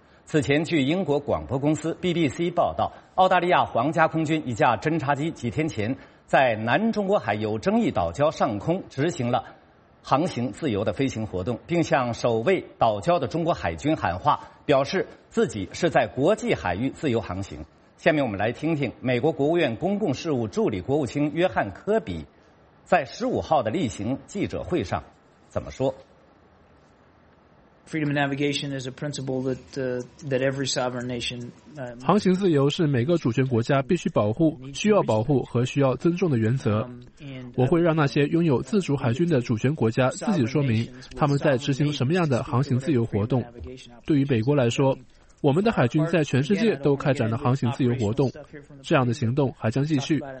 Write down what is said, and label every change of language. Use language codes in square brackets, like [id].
[zh] 此前据英国广播公司 BBC 报道，澳大利亚皇家空军一架侦察机几天前在南中国海有争议岛礁上空执行了航行自由的飞行活动，并向守卫岛礁的中国海军喊话，表示自己是在国际海域自由航行。下面我们来听听美国国务院公共事务助理国务卿约翰·科比在15号的例行记者会上怎么说。 [en] Freedom of navigation is a principle that every sovereign nation [zh] 航行自由是每个主权国家必须保护、需要保护和需要尊重的原则。我会让那些拥有自主海军的主权国家自己说明他们在执行什么样的航行自由活动。对于美国来说，我们的海军在全世界都开展了航行自由活动，这样的行动还将继续。